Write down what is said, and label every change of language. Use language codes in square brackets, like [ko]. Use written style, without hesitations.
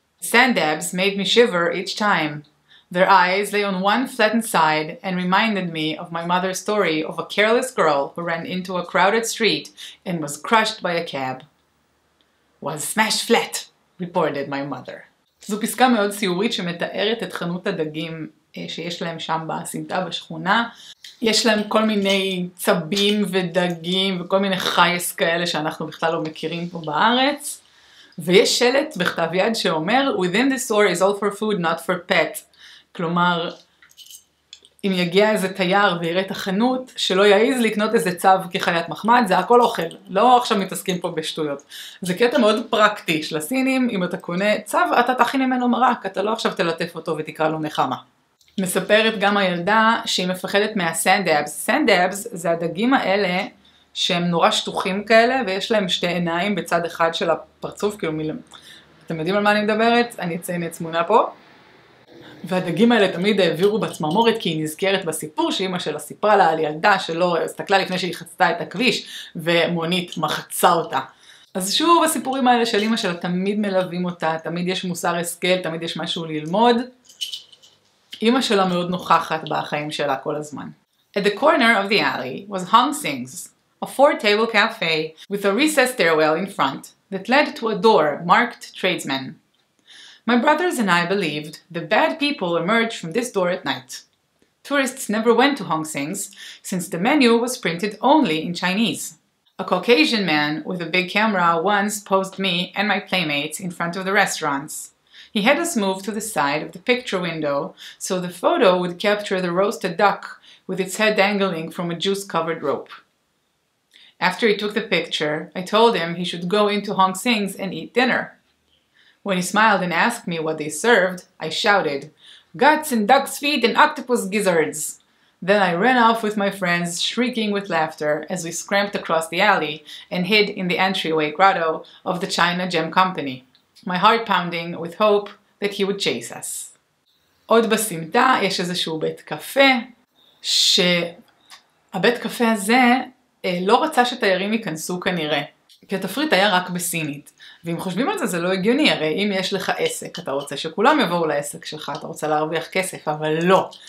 [en] Sand dabs made me shiver each time. Their eyes lay on one flattened side and reminded me of my mother's story of a careless girl who ran into a crowded street and was crushed by a cab. "Was smashed flat," reported my mother. [he] זו פסקה מאוד סיורית שמתארת את חנות הדגים שיש להם שם בסמטה בשכונה. יש להם כל מיני צבים ודגים וכל מיני חייס כאלה שאנחנו בכלל לא מכירים פה בארץ. ויש שלט בכתב יד שאומר, [en] "Within this store is all for food, not for pet." [he] כלומר, אם יגיע איזה תייר ויראה את החנות, שלא יעיז לקנות איזה צו כחיית מחמד, זה הכל אוכל. לא עכשיו מתעסקים פה בשטויות. זה קטע מאוד פרקטי של הסינים, אם אתה קונה צו, אתה תכין ממנו מרק, אתה לא עכשיו תלטף אותו ותקרא לו נחמה. מספרת גם הילדה שהיא מפחדת מהסנדאבס. סנדאבס זה הדגים האלה שהם נורא שטוחים כאלה, ויש להם שתי עיניים בצד אחד של הפרצוף, כאילו מילה... אתם יודעים על מה אני מדברת? אני אציין את תמונה פה. והדגים האלה תמיד העבירו בצממורת כי היא נזכרת בסיפור שאימא שלה סיפרה לה על ילדה שלא הסתכלה לפני שהיא חצתה את הכביש ומונית מחצה אותה. אז שוב, הסיפורים האלה של אימא שלה תמיד מלווים אותה, תמיד יש מוסר השכל, תמיד יש משהו ללמוד. אימא שלה מאוד נוכחת בחיים שלה כל הזמן. [en] At the corner of the alley was Hong Sing's, a four-table cafe with a recessed stairwell in front that led to a door marked tradesman. My brothers and I believed the bad people emerged from this door at night. Tourists never went to Hong Sing's since the menu was printed only in Chinese. A Caucasian man with a big camera once posed me and my playmates in front of the restaurants. He had us move to the side of the picture window so the photo would capture the roasted duck with its head dangling from a juice-covered rope. After he took the picture, I told him he should go into Hong Sing's and eat dinner. When he smiled and asked me what they served, I shouted, "Guts and duck's feet and octopus gizzards!" Then I ran off with my friends, shrieking with laughter as we scrambled across the alley and hid in the entryway grotto of the China Gem Company, my heart pounding with hope that he would chase us. [he] עוד בסמטה יש איזשהו בית קפה, שהבית קפה הזה לא רצה שתיירים ייכנסו כנראה. כי התפריט היה רק בסינית. ואם חושבים על זה, זה לא הגיוני. הרי אם יש לך עסק, אתה רוצה שכולם יבואו לעסק שלך, אתה רוצה להרוויח כסף, אבל לא.